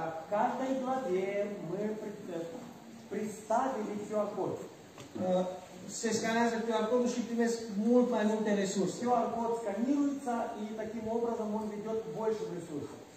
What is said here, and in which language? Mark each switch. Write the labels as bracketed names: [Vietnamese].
[Russian] Каждой главе мы представили QR code. [Romanian] Se scanează QR code-ul și primesc mult mai multe resurse. [Russian] QR code scanируется и таким образом он ведет больше ресурсов.